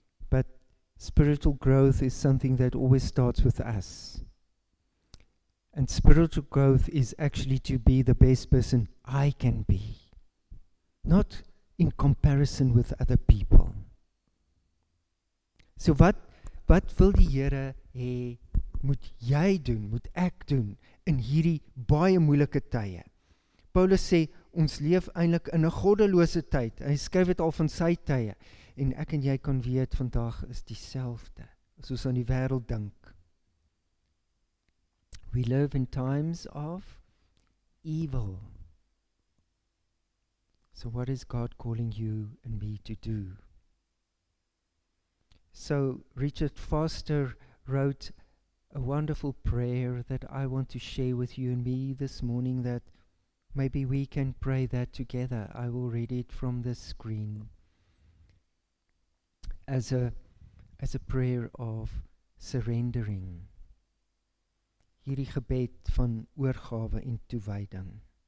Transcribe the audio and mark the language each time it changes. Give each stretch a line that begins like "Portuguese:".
English: But spiritual growth is something that always starts with us. And spiritual growth is actually to be the best person I can be. Not in comparison with other people.
Afrikaans: So wat wil die Here hê moet jy doen, moet ek doen in hierdie baie moeilike tye? Paulus sê ons leef eintlik in 'n goddelose tyd. Hy skryf dit al van sy tye en ek en jy kan weet vandag is dieselfde. As ons aan die wêreld dink.
English: We live in times of evil. So what is God calling you and me to do? So Richard Foster wrote a wonderful prayer that I want to share with you and me this morning, that maybe we can pray that together. I will read it from the screen as a prayer of surrendering.
Afrikaans: Hierdie gebed van oorgawe en toewyding.